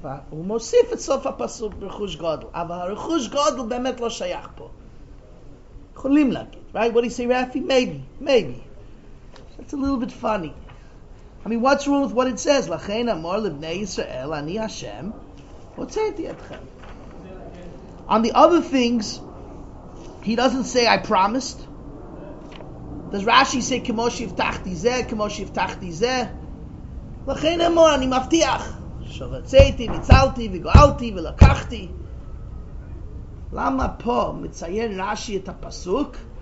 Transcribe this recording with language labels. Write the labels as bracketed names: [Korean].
[Hebrew] הוא מוסיף את סוף הפסוק ברכוש גודל, אבל הרכוש גודל באמת לא שייך פה. יכולים להגיד, [English] right? What do you say, Rafi? Maybe. That's a little bit funny. I mean, what's wrong with what it says? [Hebrew] לכן אמור לבני ישראל, אני השם, הוצאתי אתכם. [English] On the other things, he doesn't say, I promised. Does Rashi say, [Hebrew] כמו שהבטחתי זה, כמו שהבטחתי זה? לכן אמור, אני מבטיח. שרציתי, ניצלתי, וגואלתי, ולקחתי. למה פה מציין רשי את הפסוק?